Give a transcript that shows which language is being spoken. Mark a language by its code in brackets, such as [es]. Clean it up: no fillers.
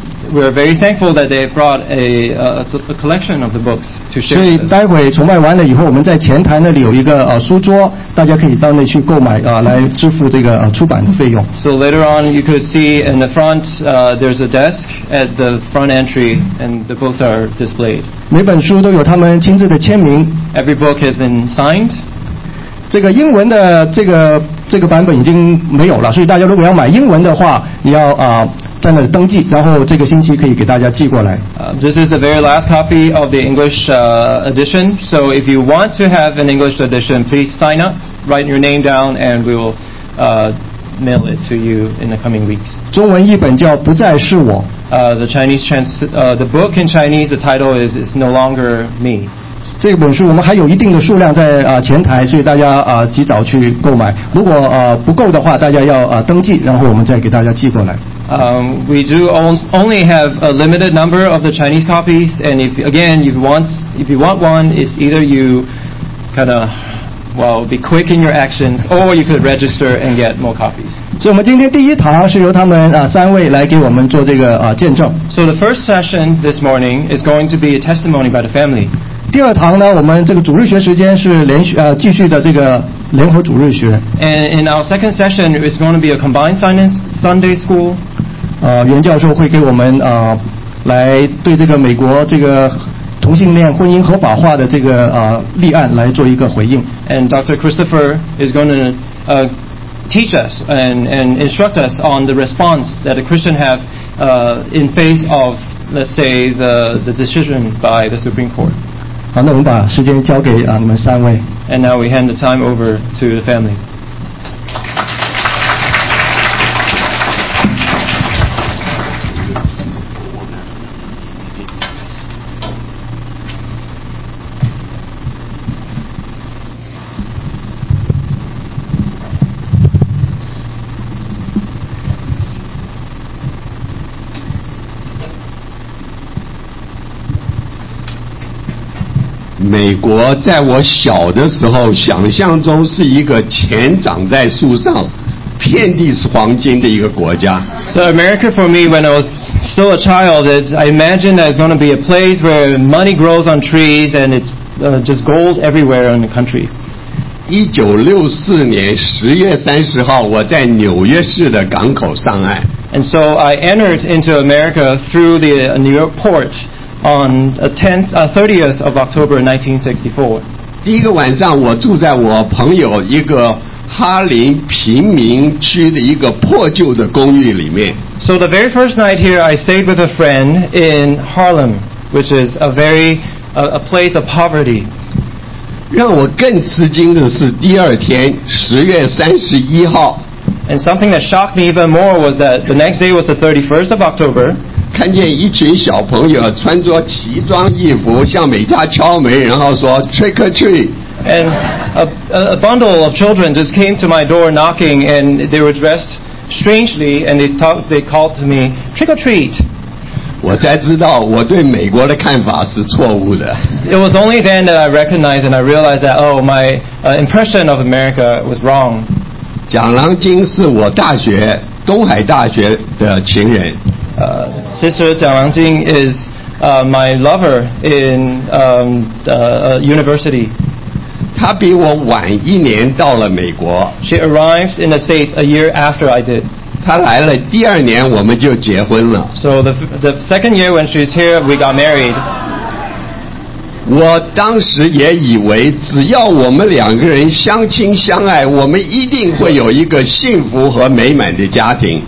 [en] We are very thankful that they brought a collection of the books to share. [zh] 所以待会崇拜完了以后，我们在前台那里有一个书桌，大家可以到那去购买来支付这个出版的费用。 [en] So later on, you could see in the front, there's a desk at the front entry, and the books are displayed. [zh] 每本书都有他们亲自的签名。 [en] Every book has been signed. [zh] 这个英文的这个版本已经没有了，所以大家如果要买英文的话，你要在那里登记，然后这个星期可以给大家寄过来。 [en] This is the very last copy of the English edition. So if you want to have an English edition, please sign up, write your name down, and we will mail it to you in the coming weeks. [zh] 中文译本叫《不再是我》。 [en] The book in Chinese, the title is "It's No Longer Me." [zh] 这本书我们还有一定的数量在前台，所以大家及早去购买。如果不够的话，大家要登记，然后我们再给大家寄过来。 [en] We do only have a limited number of the Chinese copies, and if you want one, it's either you kind of be quick in your actions, or you could register and get more copies. [zh] 所以我们今天第一堂是由他们三位来给我们做这个见证。 [en] So the first session this morning is going to be a testimony by the family. [zh] 第二堂呢，我们这个主日学时间是继续的这个。联合主日学。 [en] And in our second session, it's going to be a combined Sunday school. [zh] 袁教授会给我们来对这个美国这个同性恋婚姻合法化的这个立案来做一个回应。 [en] And Dr. Christopher is going to teach us and instruct us on the response that a Christian have in face of, let's say, the decision by the Supreme Court. [zh] 好，那我们把时间交给你们三位。 [en] And now we hand the time over to the family. [zh] 国在我小的时候想象中是一个钱长在树上遍地是黄金的一个国家。 [en] So America for me when I was still a child, I imagined that it's going to be a place where money grows on trees and it's just gold everywhere in the country. [zh] 1964年10月30号我在纽约市的港口上岸。 [en] And so I entered into America through the New York port on the 30th of October 1964. [zh] 第一个晚上我住在我朋友一个哈林贫民区的一个破旧的公寓里面。 [en] So the very first night here I stayed with a friend in Harlem, which is a very a place of poverty. [zh] 让我更吃惊的是第二天10月31号 [en] And something that shocked me even more was that the next day was the 31st of October. [zh] 看见一群小朋友穿着奇装异服向每家敲门然后说 [en] trick or treat. And a bundle of children just came to my door knocking and they were dressed strangely and they called to me trick or treat. [zh] 我才知道我对美国的看法是错误的。 [en] It was only then that I recognized and I realized that, oh, my impression of America was wrong. [zh] 蒋郎君是我大学东海大学的情人。 [en] Sister 蒋郎君 is my lover in university. [zh] 她比我晚一年到了美国。 [en] She arrived in the States a year after I did. [zh] 她来了第二年我们就结婚了 [en] So the second year when she's here we got married [zh] 我当时也以为只要我们两个人相亲相爱我们一定会有一个幸福和美满的家庭